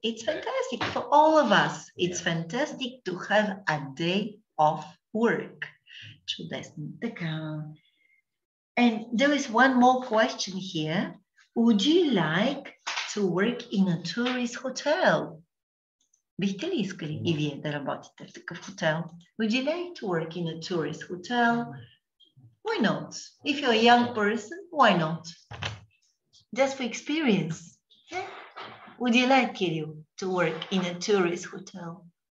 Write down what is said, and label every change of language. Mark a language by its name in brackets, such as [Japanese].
[English] It's fantastic for all of us. It's fantastic to have a day off work. [Bulgarian] Чудесно. Така. [English] And there is one more question here. Would you like to work in a tourist hotel? [Bulgarian] Бихте ли искали и вие да работите в такъв хотел? [English] Would you like to work in a tourist hotel? Why not? If you're a young person, why not? Just for experience. Yeah? Would you like, Кирил, to work in a tourist hotel?